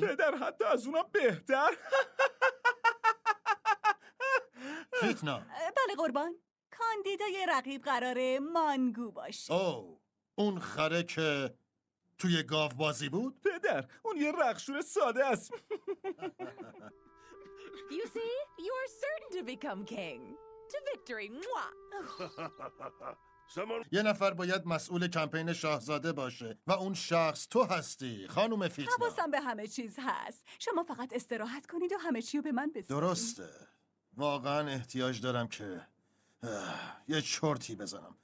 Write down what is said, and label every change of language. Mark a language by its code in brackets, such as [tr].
[fa] پدر حتی از اونم بهتر. فیتنا. بله قربان، کاندیدای رقیب قراره مانگو باشه. اون خره که توی گاو بازی بود؟ پدر، اون یه رخشور ساده است. [en] You see, you are certain to become king. To victory, mwah! [fa] یه نفر باید مسئول کمپین شاهزاده باشه و اون شخص تو هستی خانم فیتنا. حواسم به همه چیز هست، شما فقط استراحت کنید و همه چیو به من بسپارید. درسته، واقعا احتیاج دارم که یه چرتی بزنم.